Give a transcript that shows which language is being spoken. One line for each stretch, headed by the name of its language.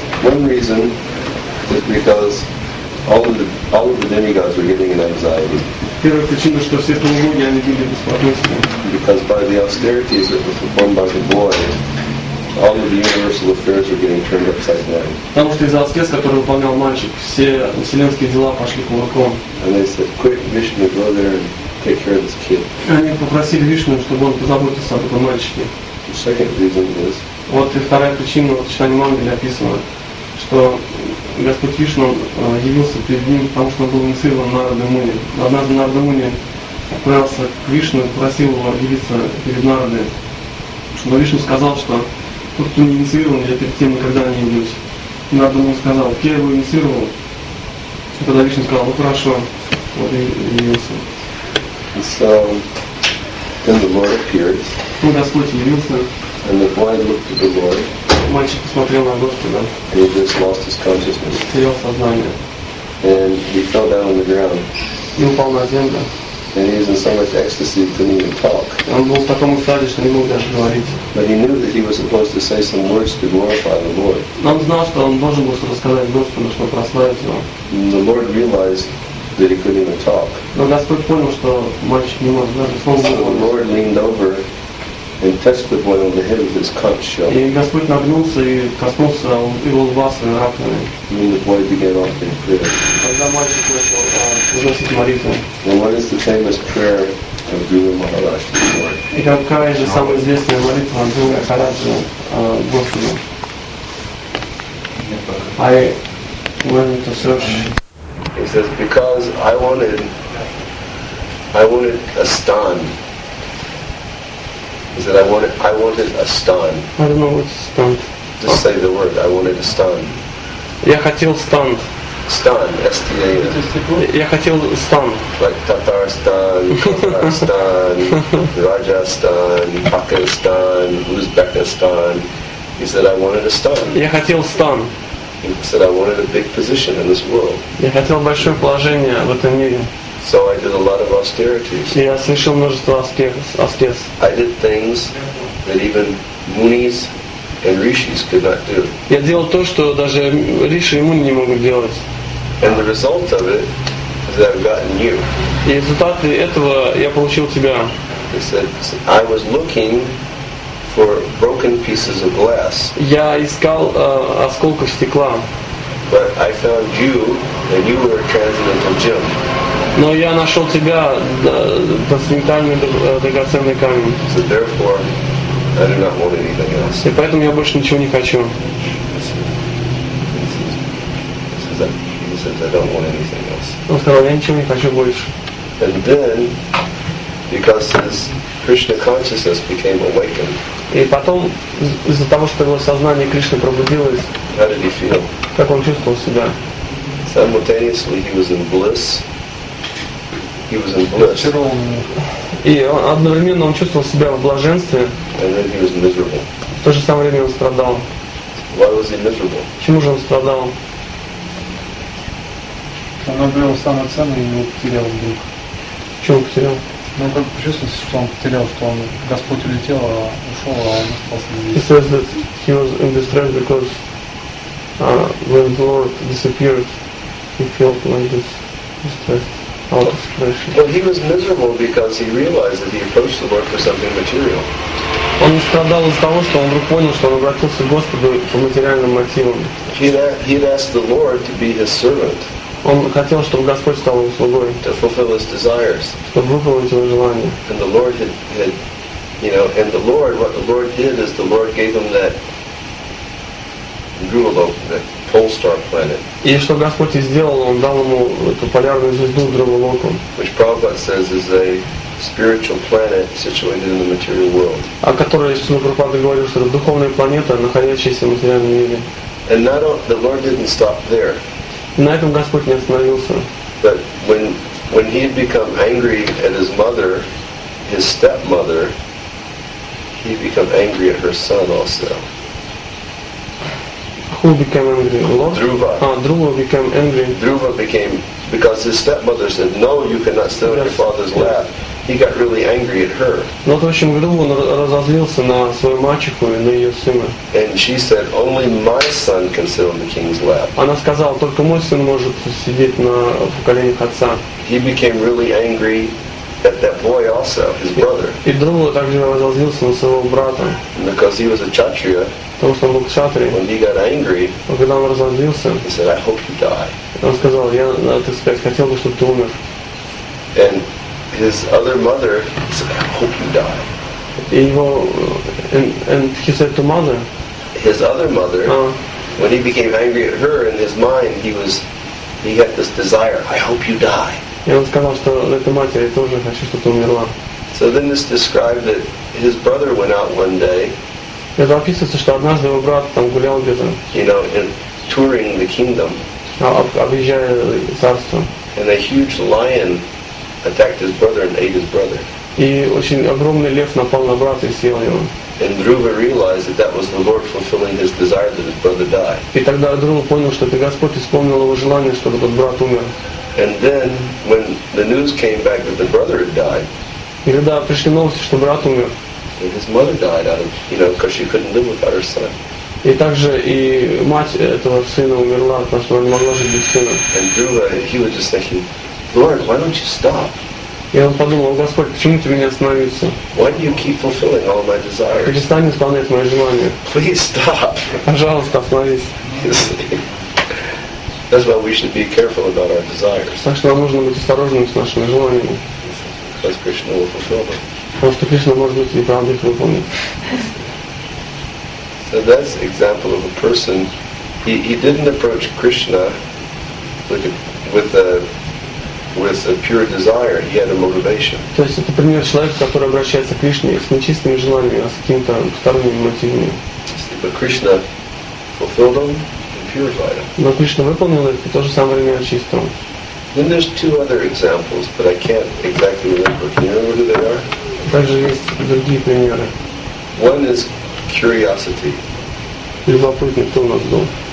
English: One reason is because all of the demigods were getting an anxiety. Because by the austerities that were performed by the boy, all of the universal affairs were getting turned upside down.
Russian: Потому что из-за аскез, который выполнял мальчик, все вселенские дела пошли кувырком.
English: And they said, quick, Vishnu, go there and take care of this kid.
Russian: Они попросили Вишну, чтобы он позаботился об этом мальчике.
English: The second reason is.
Russian: Вот и вторая причина, в читании Мангеля описано, что Господь Вишну явился перед ним, потому что он был инициирован Нарадой Муни. Однажды Нарада Муни отправился к Вишну и просил его явиться перед Нарадой. Но Вишну сказал, что тот, кто не инициирован, я перед тем никогда не явлюсь. Нарада Муни сказал, я его инициировал. И тогда Вишну сказал, ну хорошо, вот и явился.
English: Then the Lord appears.
Russian: Ну, Господь явился.
English: And the boy looked at the Lord.
Russian: Мальчик посмотрел на Господа.
English: And he just lost his consciousness.
Russian: Терял сознание.
English: And he fell down on the ground.
Russian: И упал на землю.
English: And he was in so much ecstasy he couldn't even talk.
Russian: Он был в таком эстазе, что не мог даже говорить.
English: But he knew that he was supposed to say some words to glorify the Lord.
Russian: Он знал, что он должен был что-то сказать Господу, чтобы прославить его.
English: And the Lord realized that he couldn't even talk.
Russian: Но Господь понял, что мальчик не может даже слово говорить.
English: So the Lord leaned over and touched the boy on the head of his conch shell.
Russian: И Господь нагнулся и коснулся его лба своей раковиной.
English: And then the boy began offering prayer.
Russian: Когда мальчик начал возносить молитву.
English: And what is the famous prayer of Guru Maharaj to the Lord?
Russian: И какая же самая известная молитва Гуру Махараджа Господу?
English: I went to search. He says, because I wanted a stun. He said, I wanted a stun. I don't know what's stun. Just oh. Say the word, I wanted a stun.
Russian: Я хотел стан. Стан, S-T-A-N. Я хотел стан.
English: Like Tatarstan, Kazakhstan, Rajasthan, Pakistan, Uzbekistan. He said, I wanted a stun.
Russian: Я хотел стан.
English: He said, I wanted a big position in this world.
Russian: Я хотел большое положение в этом мире.
English: So I did a lot of austerities.
Russian: Я совершил множество аскез.
English: I did things that even Munis and Rishis could not do.
Russian: Я делал то, что даже Риши и Муни не могут делать.
English: And the result of it is that I've gotten you.
Russian: И результаты этого я получил тебя.
English: He said, I was looking for broken pieces of glass.
Russian: Я искал осколков стекла.
English: But I found you, and you were a transcendental gem.
Russian: Но я нашел тебя, трансцендентальный драгоценный камень.
English: So therefore, I do not want anything else.
Russian: И поэтому я больше ничего не хочу.
English: He says, I don't want anything else.
Russian: Он сказал, я ничего не хочу больше.
English: And then, because his Krishna consciousness became awakened.
Russian: И потом, из-за того, что его сознание Кришны пробудилось,
English: how did he feel?
Russian: Как он чувствовал себя?
English: Simultaneously he was in bliss. He was in bliss.
Russian: И он, одновременно он чувствовал себя в блаженстве.
English: And then he was miserable.
Russian: В то же самое время он страдал.
English: Why was he miserable?
Russian: Чему же он страдал? Он обрел самое ценное и его потерял вдруг. Чего потерял? Ну, как бы чувствовал, что он потерял, что он Господь улетел, а ушел, а он остался здесь.
English: He says that he was in distress because when the Lord disappeared, he felt like this distress, out of depression. Well, he was miserable because he realized that he approached the Lord for something material.
Russian: Он страдал из-за того, что он вдруг понял, что он обратился к Господу по материальным мотивам.
English: He had asked the Lord to be his servant.
Russian: Он хотел, чтобы Господь стал его слугой.
English: To fulfill his desires.
Russian: Чтобы выполнить его желание.
English: And the Lord had, you know, and the Lord, what the Lord did is the Lord gave him that Drulov, that pole star planet.
Russian: И что Господь сделал, он дал ему эту полярную звезду Друлоком.
English: Which Prabhupada says is a spiritual planet situated in the material world.
Russian: О которой Шрила Прабхупада говорил, что это духовная планета, находящаяся в материальном мире.
English: And not all, the Lord didn't stop there.
Russian: На этом Господь не остановился.
English: But when he had become angry at his mother, his stepmother, he became angry at her son also. Who became angry? Lord? Dhruva. Dhruva became angry. Dhruva became, because his stepmother said, no, you cannot sit on your father's lap. He got really angry at her.
Russian: Ну, в общем, Друва разозлился на свою мачеху и на ее сына.
English: And she said, only my son can sit on the king's lap.
Russian: Она сказала, только мой сын может сидеть на коленях отца.
English: He became really angry at that boy also, his brother.
Russian: И Друва также разозлился на своего брата.
English: Because he was a kshatriya.
Russian: Потому что он был кшатри.
English: When he got angry,
Russian: когда он разозлился,
English: he said, I hope you die.
Russian: Он сказал, я, так сказать, хотел бы, чтобы ты умер.
English: And his other mother said, I hope you die.
Russian: И его,
English: and he said to mother. His other mother, when he became angry at her, in his mind, he had this desire, I hope you die.
Russian: И он сказал, что эта мать, я тоже хочу, чтобы ты умерла.
English: So then it's described that his brother went out one day.
Russian: Это описывается, что однажды его брат там гулял где-то.
English: You know, in touring the kingdom.
Russian: Объезжая царство.
English: And a huge lion attacked his brother and ate his brother.
Russian: И очень огромный лев напал на брата и съел его.
English: And Dhruva realized that that was the Lord fulfilling his desire that his brother die.
Russian: И тогда Друва понял, что это Господь исполнил его желание, чтобы этот брат умер.
English: And then, when the news came back that the brother had died.
Russian: И когда пришли новости, что брат умер.
English: And his mother died out of, you know, because she couldn't live without her son.
Russian: И также и мать этого сына умерла, потому что она не могла жить без сына.
English: And Dhruva, he was just thinking, Lord, why don't you stop?
Russian: И он подумал, Господь, почему ты меня остановился?
English: Why do you keep fulfilling all my desires?
Russian: Перестань исполнять мои желания.
English: Please stop.
Russian: Пожалуйста, остановись.
English: That's why we should be careful about our desires.
Russian: Так что нам нужно быть осторожными с нашими желаниями.
English: Because Krishna will fulfill them.
Russian: Потому что Кришна может быть неправда их выполнит.
English: So that's an example of a person. He didn't approach Krishna with a pure desire. He had a motivation.
Russian: То есть это пример человека, который обращается к Кришне с нечистыми желаниями, а с какими-то сторонними мотивами.
English: But Krishna fulfilled them and purified them.
Russian: Но Кришна выполнил их и в то же самое время очистил.
English: Then there's two other examples, but I can't exactly remember. Can you remember who they are?
Russian: Также есть другие примеры.
English: One is curiosity.
Russian: Любопытный, кто у нас был?